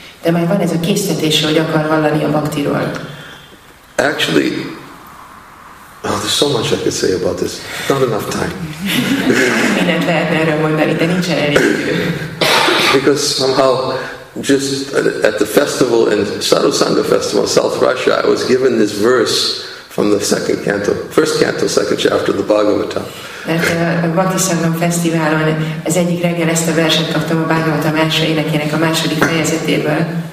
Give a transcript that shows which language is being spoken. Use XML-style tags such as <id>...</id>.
<hu>De már van ez a késztetése, hogy akar hallani a bhaktiról.</hu> <en>Actually, oh, there's so much I could say about this. Not enough time.</en> <hu>Mindent lehetne erről mondani, de nincsen elég idő.</hu> <en>Because somehow, just at the festival, in Sadhu Sangha festival in South Russia, I was given this verse from the second canto, first canto, second chapter of the Bhagavatam.</en> <hu>Mert a Bhakti Sangha festivalon az egyik reggel ezt a verset kaptam a Bhagavatam első énekének a második fejezetéből.</hu>